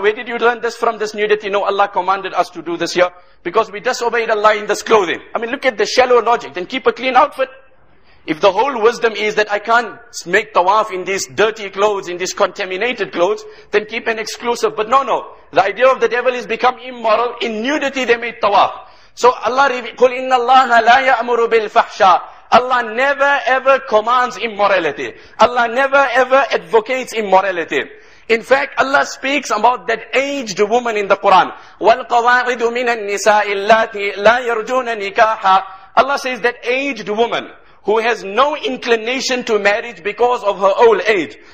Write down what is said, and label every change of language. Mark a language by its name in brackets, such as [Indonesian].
[English] Where did you learn this from, this nudity? No, Allah commanded us to do this here, because we disobeyed Allah in this clothing. I mean, look at the shallow logic. Then keep a clean outfit. If the whole wisdom is that I can't make tawaf in these dirty clothes, in these contaminated clothes, then keep an exclusive. But no, the idea of the devil is become immoral. In nudity they made tawaf. [Arabic] So Allah, قُلْ إِنَّ اللَّهَ لَا يَأْمُرُ بِالْفَحْشَاءِ. [English] Allah never ever commands immorality. Allah never ever advocates immorality. In fact, Allah speaks about that aged woman in the Quran. [Arabic] وَالْقَوَاعِدُ مِنَ النِّسَاءِ اللَّاتِ لَا يَرْجُونَ نِكَاحًا. [English] Allah says that aged woman who has no inclination to marriage because of her old age.